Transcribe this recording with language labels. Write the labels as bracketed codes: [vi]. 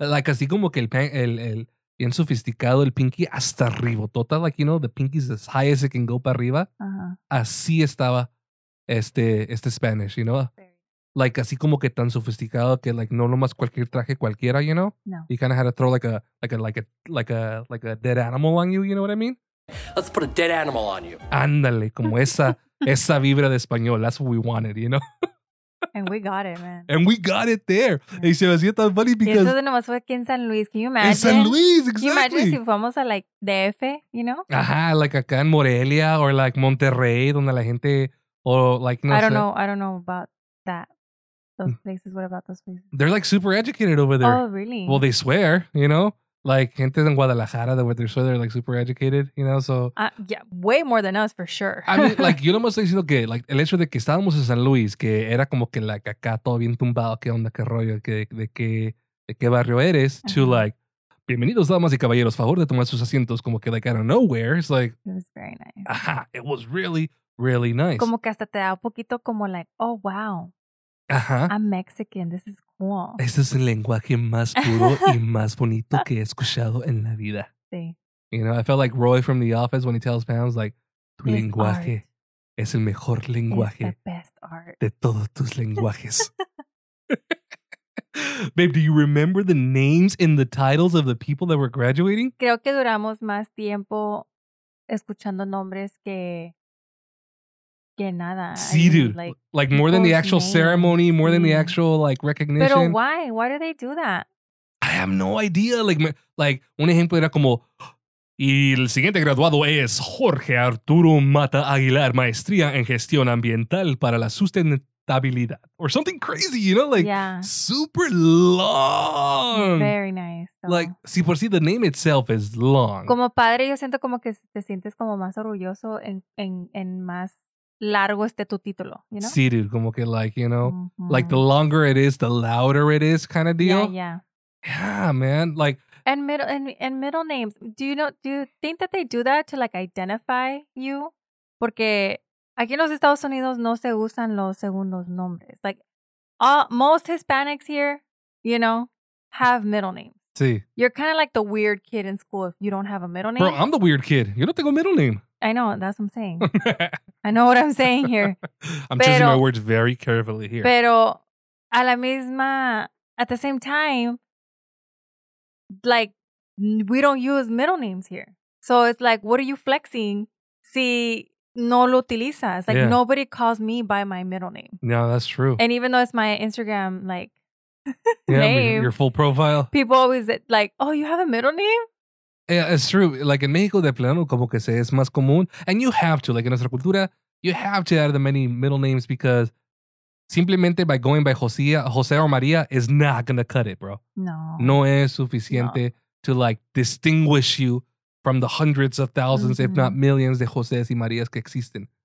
[en] Like, [es] así como que el bien sofisticado, el pinky, hasta arriba. [en] Total, like, you know, the pinky's as high as it can go [es] para arriba. Uh-huh. Así estaba este Spanish, [en] you know? [es] Like, así como que tan sofisticado que, [en] like, [es] no nomás cualquier traje cualquiera, [en] you know? [es] No. [en] You kind of had to throw, like a dead animal on you, you know what I mean? Let's put a dead animal on you. [es] Ándale, como esa vibra de español. [en] That's what we wanted, you know? And we got it, man. And we got it there. Yeah. [es] Y se me hacía tan [en] funny because... [es] Y eso nomás fue aquí en San Luis. [en] Can you imagine? [es] En San Luis, [en] exactly. Can you imagine [es] si fuimos a, [en] like, DF, you know? [es] Ajá, [en] like [es] acá en Morelia [en] or, like, [es] Monterrey, donde la gente... Or, like, no [en] I don't know. I don't know about that. Those places, what about those places? They're like super educated over there. Oh, really? Well, they swear, you know? Like, [es] gente en Guadalajara, [en] the way they swear, they're like super educated, you know? So, yeah, way more than us, for sure. I mean, like, [es] yo no me estoy diciendo que, like, el hecho de que estábamos en San Luis, que era como que la caca todo bien tumbado, qué onda, qué rollo, de qué barrio eres, [en] uh-huh. To like, [es] bienvenidos, damas y caballeros, favor de tomar sus asientos, como que, [en] like, out of nowhere. It's like, it was very nice. [es] Ajá, [en] it was really, really nice. [es] Como que hasta te da un poquito como, [en] like, oh, wow. Uh-huh. I'm Mexican. This is cool. [es] Este es el lenguaje más puro y más bonito que he escuchado en la vida. Sí. [en] You know, I felt like Roy from The Office when he tells Pam's like, [es] tu [en] it's [es] lenguaje [en] art. [es] Es el mejor lenguaje [en] the best art. [es] De todos tus lenguajes. [en] Babe, do you remember the names and the titles of the people that were graduating? [es] Creo que duramos más tiempo escuchando nombres que... Nada. [en] Sí, dude. Like more than the actual names. Ceremony, more [es] sí. [en] Than the actual, like, recognition. [es] Pero [en] why? Why do they do that? I have no idea. Like [es] un ejemplo era como, y el siguiente graduado es Jorge Arturo Mata Aguilar, maestría en gestión ambiental para la sustentabilidad. [en] Or something crazy, you know? Like, yeah. Super long. Very nice. So. Like, [es] si por si [en] the name itself is long. [es] Como padre, yo siento como que te sientes como más orgulloso en más largo este tu título, [en] you know? [es] Sí, dude, como que, [en] like, you know, [es] mm-hmm. [en] Like, the longer it is, the louder it is kind of deal. Yeah. Yeah, man, like... And middle names, do you think that they do that to, like, identify you? [es] Porque aquí en los Estados Unidos no se usan los segundos nombres. [en] Like, most Hispanics here, you know, have middle names. [es] Sí. [en] You're kind of like the weird kid in school if you don't have a middle name. Bro, I'm the weird kid. [es] Yo no tengo [en] middle name. I know, that's what I'm saying. I know what I'm saying here. I'm choosing my words very carefully here. [es] Pero a la misma, [en] at the same time, like, we don't use middle names here. So it's like, what are you flexing [es] si no lo utilizas? [en] Like, yeah. Nobody calls me by my middle name. No, that's true. And even though it's my Instagram, like, name. Yeah, your full profile. People always, like, oh, you have a middle name? Yeah, it's true. Like, in Mexico, [es] de plano, como que se es más común. [en] And you have to. Like, in [es] nuestra cultura, [en] you have to add the many middle names because [es] simplemente [en] by going by Jose or Maria is not going to cut it, bro. No. [es] No es suficiente no. [en] To, like, distinguish you from the hundreds of thousands, mm-hmm. If not millions, [es] de José y Marías que existen.